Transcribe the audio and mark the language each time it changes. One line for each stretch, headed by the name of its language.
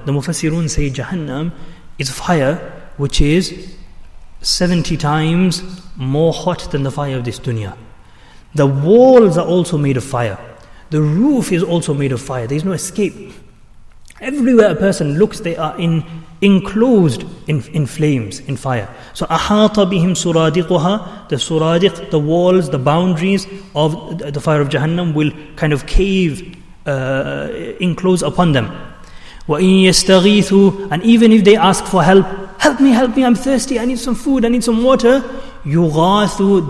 English: The Mufassirun say Jahannam is fire which is 70 times more hot than the fire of this dunya. The walls are also made of fire. The roof is also made of fire. There is no escape. Everywhere a person looks, they are enclosed in flames, in fire.
Arabic: So, أَحَاطَ بِهِمْ سُرَادِقُهَا.
English: The suradiq, the walls, the boundaries of the fire of Jahannam will kind of cave, enclose upon them.
Arabic: وَإِن يَسْتَغِيثُوا.
English: And even if they ask for help, help me, help me, I'm thirsty, I need some food, I need some water.
Arabic: يُغَاثُوا.